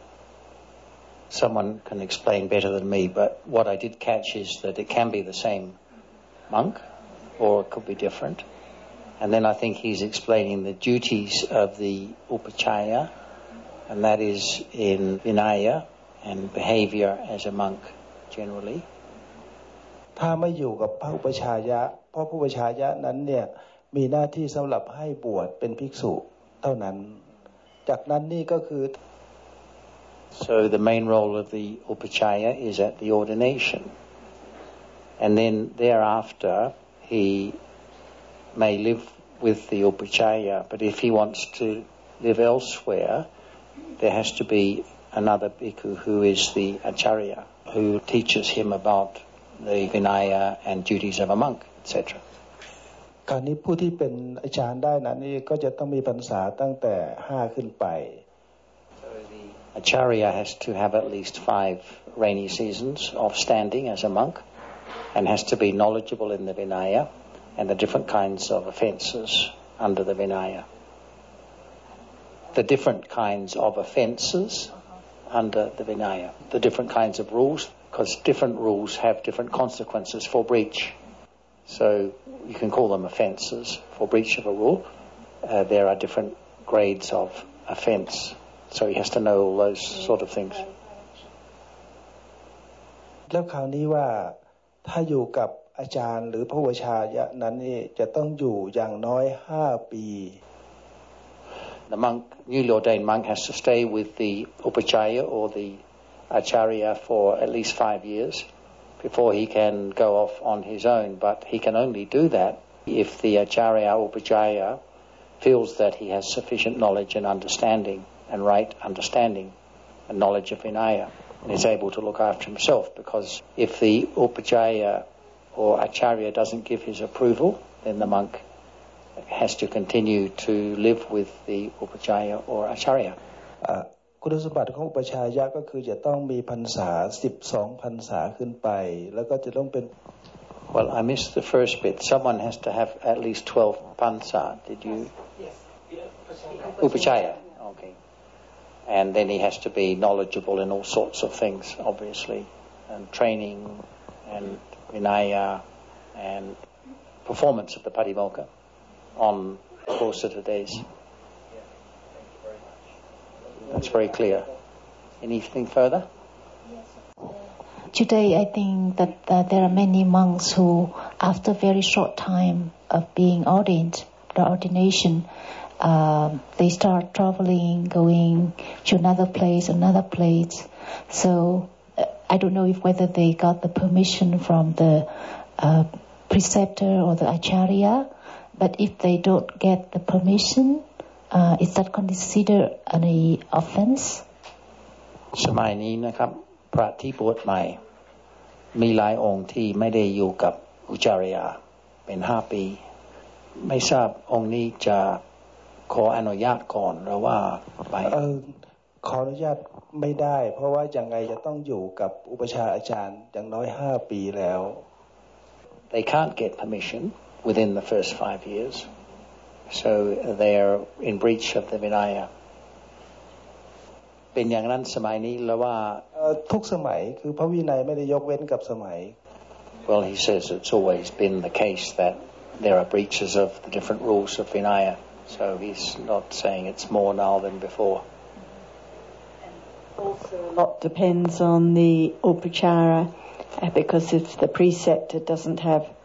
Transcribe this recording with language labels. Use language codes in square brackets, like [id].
[en] Someone can explain better than me, but what I did catch is that it can be the same monk, or it could be different. And then I think he's explaining the duties of the upachaya, and that is in vinaya and behavior as a monk generally. [th] ถ้าไม่อยู่กับพระอุปัชฌายะเพราะผู้อุปัชฌายะนั้นเนี่ยมีหน้าที่สำหรับให้บวชเป็นภิกษุเท่านั้นจากนั้นนี่ก็คือ [en] So the main role of the upachaya is at the ordination and then thereafter he may live with the upachaya but if he wants to live elsewhere there has to be another bhikkhu who is the acharya who teaches him aboutthe vinaya and duties of a monk etc [th] การนี้ผู้ที่เป็นอาจารย์ได้นั้นนี่ก็จะต้องมีพรรษาตั้งแต่5ขึ้นไป [en] Acharya has to have at least 5 rainy seasons of standing as a monk and has to be knowledgeable in the vinaya and the different kinds of offenses under the vinaya the different kinds of offenses under the vinaya the different kinds of rulesBecause different rules have different consequences for breach. So you can call them offences. For breach of a rule, there are different grades of offence. So he has to know all those sort of things. [th] แล้วคราวนี้ว่าถ้าอยู่กับอาจารย์หรือพระอุปัชฌาย์นั้นนี่จะต้องอยู่อย่างน้อย5ปี [en] The monk, newly ordained monk, has to stay with the upachaya or theAcharya for at least 5 years before he can go off on his own, but he can only do that if the Acharya Upajaya feels that he has sufficient knowledge and understanding and right understanding and knowledge of Vinaya and is able to look after himself. Because if the Upajaya or Acharya doesn't give his approval, then the monk has to continue to live with the Upajaya or Acharya. [th] คุณสมบัติของอุปัชฌายะก็คือจะต้องมีพรรษา12พรรษาขึ้นไปแล้วก็จะต้องเป็น [en] Well I missed the first bit someone has to have at least 12 pansa did you Yes อุปัชฌายะ okay and then he has to be knowledgeable in all sorts of things obviously and training and vinaya and performance of the patimokkha on course of the daysThat's very clear. Anything further? Today, I think that there are many monks who, after a very short time of being ordained, the ordination, they start traveling, going to another place. So I don't know if whether they got the permission from the preceptor or the acharya, but if they don't get the permission,is that considered an offense? [th] สมัยนี้นะครับพระที่บวชใหม่มีหลายองค์ที่ไม่ได้อยู่กับอุจาริยาเป็น5ปีไม่ทราบองค์นี้จะขออนุญาตก่อนหรือว่าไป ขออนุญาตไม่ได้เพราะว่ายังไงจะต้องอยู่กับอุปัชฌาย์อาจารย์อย่างน้อย5ปีแล้ว [en] They can't get permission within the first 5 yearsSo they are in breach of the Vinaya. [th] เป็นอย่างนั้นสมัยนี้แล้วว่า ทุกสมัยคือพระวินัยไม่ได้ยกเว้นกับสมัย [en] Well, he says it's always been the case that there are breaches of the different rules of Vinaya. So he's not saying it's more now than before. And also a lot depends on the upachara, because if the preceptor doesn't have...